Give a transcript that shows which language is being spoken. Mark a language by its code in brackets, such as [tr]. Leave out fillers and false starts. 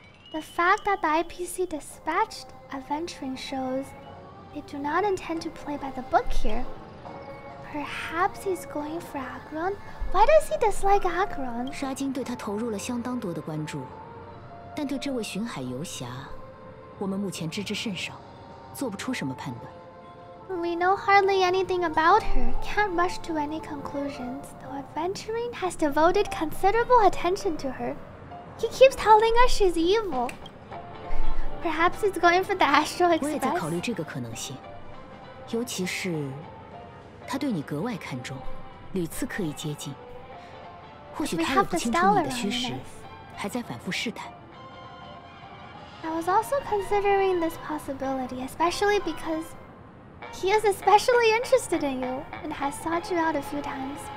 [en] The fact that the IPC dispatched Aventurine shows they do not intend to play by the book here. Perhaps he's going for acheron? Why does he dislike acheron? [zh] 沙金对他投入了相当多的关注，但对这位巡海游侠，我们目前知之甚少，做不出什么判断。 [en] We know hardly anything about her. Can't rush to any conclusions. Though Aventurine has devoted considerable attention to her. He keeps telling us she's evil. Perhaps he's going for the Astro Express. [zh] 我也在考虑这个可能性，尤其是他对你格外看重，屡次刻意接近。或许他也不清楚你的虚实，还在反复试探。 [en] I was also considering this possibility, especially because he is especially interested in you and has sought you out a few times.